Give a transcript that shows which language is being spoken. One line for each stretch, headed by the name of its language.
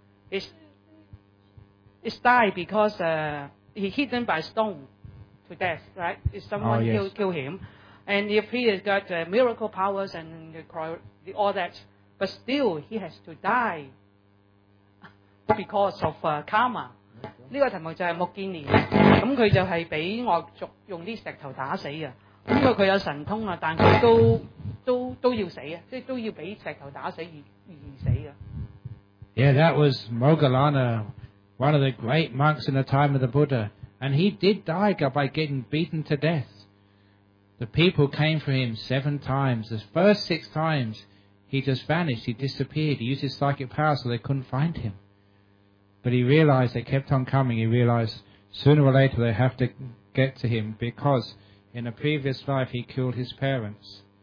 English: He's died because he hidden by stone to death, right? Is someone oh, yes. kill him? And if he has got miracle powers and all that, but still he has to die because of karma.
Cantonese: 呢個題目就係木建連，咁佢就係俾惡族用啲石頭打死嘅。咁因為佢有神通啊，但佢都要死啊，即係都要俾石頭打死而死嘅。
English: Yeah, that was Mogalana, one of the great monks in the time of the Buddha, and he did die by getting beaten to death. The people came for him 7 times. The first 6 times, he just vanished. He disappeared. He used his psychic power, so they couldn't find him. But he realized they kept on coming. He realized sooner or later they have to get to him because in a previous life he killed his parents.